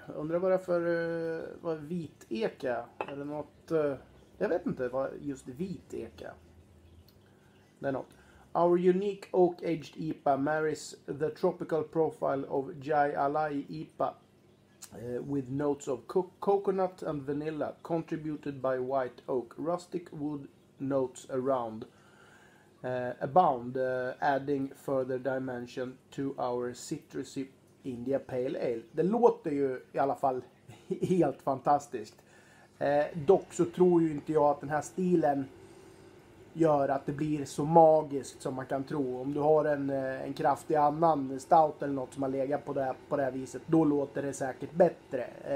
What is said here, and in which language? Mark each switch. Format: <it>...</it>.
<sv>Undrar vad det är för vad vit eka eller något. Jag vet inte vad just vit eka. Det är något.</sv> <en>Our unique oak aged IPA marries the tropical profile of Jai Alai IPA with notes of coconut and vanilla contributed by white oak. Rustic wood notes around abound adding further dimension to our citrusy India Pale Ale.</en> <sv>Det låter ju i alla fall helt fantastiskt. Dock så tror ju inte jag att den här stilen gör att det blir så magiskt som man kan tro. Om du har en kraftig annan stout eller något som har legat på det här viset, då låter det säkert bättre.</sv>